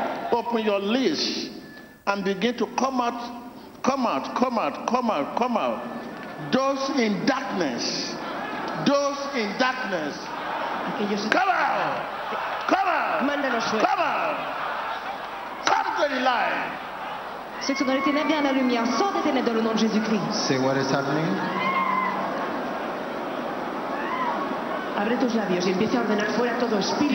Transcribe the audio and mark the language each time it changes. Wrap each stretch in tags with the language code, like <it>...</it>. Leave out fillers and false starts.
<en>Open your lips and begin to come out, come out, come out, come out, come out. Those in darkness, those in darkness, come out, come out, come out, come to the light.</en> <fr>Ceux qui sont dans les ténèbres, viens à la lumière, sort des ténèbres dans le nom de Jésus-Christ.</fr> <en>Say what is happening.</en> <es>Abre tus labios y empieza a ordenar fuera todo espíritu.</es>